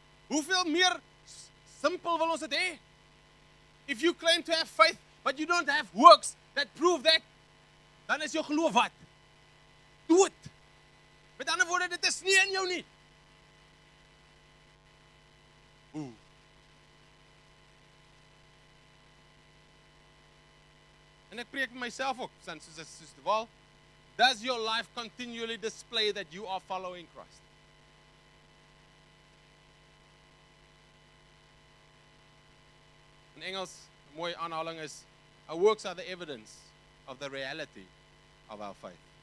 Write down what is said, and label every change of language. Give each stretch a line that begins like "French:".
Afrikaans: Hoeveel meer simpel wil ons het hee?
English: If you claim to have faith, but you don't have works that prove that,
Afrikaans: dan is jou geloof wat? Dood. Met ander woorde, dit is nie in jou nie. Oeh. En ek preek myself ook, soos die wal.
English: Does your life continually display that you are following Christ?
Afrikaans: In Engels, mooi aanhaling is,
English: our works are the evidence of the reality of our faith.